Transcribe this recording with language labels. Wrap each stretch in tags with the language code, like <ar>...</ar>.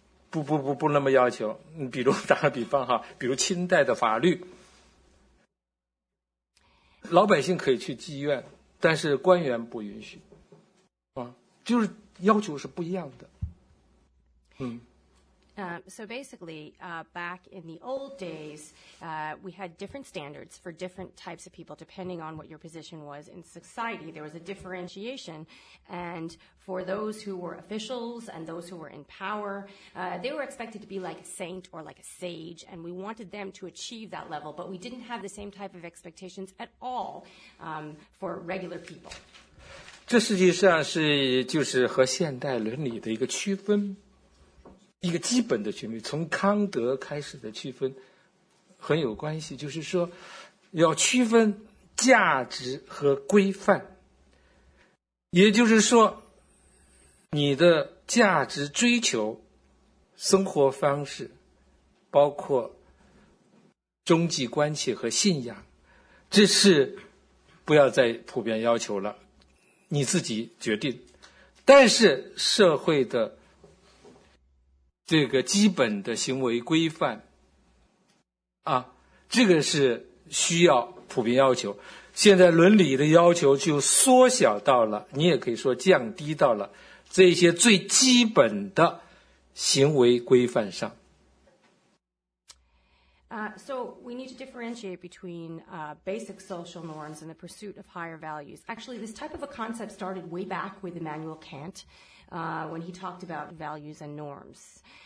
<zh>不那么要求，比如打个比方哈，比如清代的法律，老百姓可以去妓院，但是官员不允许，就是要求是不一样的，</zh> <en>So basically, back in the old days, we had different standards for different types of people, depending on what your position was in society. There was a differentiation, and for those who were officials and those who were in power, they were expected to be like a saint or like a sage, and we wanted them to achieve that level, but we didn't have the same type of expectations at all, for regular people.</en> <zh>这实际上是就是和现代伦理的一个区分。一个基本的区分，从康德开始的区分很有关系，就是说要区分价值和规范，也就是说你的价值追求、生活方式，包括终极关切和信仰，这是不要再普遍要求了，你自己决定。但是社会的这个基本的行为规范啊，这个是需要普遍要求。现在伦理的要求就缩小到了，你也可以说降低到了这些最基本的行为规范上。</zh> <en>So we need to differentiate between basic social norms and the pursuit of higher values. Actually, this type of a concept started way back with Immanuel Kant, when he talked about values and norms.</en>